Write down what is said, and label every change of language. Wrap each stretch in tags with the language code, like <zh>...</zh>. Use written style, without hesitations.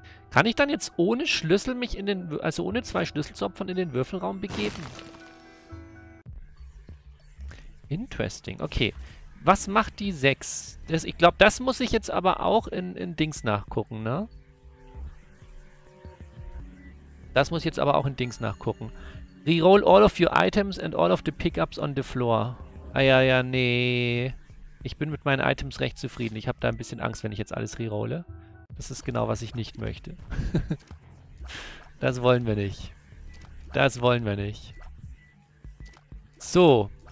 <de>Kann ich dann jetzt ohne Schlüssel mich in den... Also ohne zwei Schlüssel zu opfern in den Würfelraum begeben?</de> <en>Interesting.</en> <de>Okay. Was macht die 6? Das, ich glaube, das muss ich jetzt aber auch in Dings nachgucken, ne? Das muss ich jetzt aber auch in Dings nachgucken.</de> <en>Reroll all of your items and all of the pickups on the floor.</en> <de>Ah ja, ja, nee. Ich bin mit meinen Items recht zufrieden. Ich habe da ein bisschen Angst, wenn ich jetzt alles rerolle. Das ist genau, was ich nicht möchte. Das wollen wir nicht. Das wollen wir nicht. So.</de>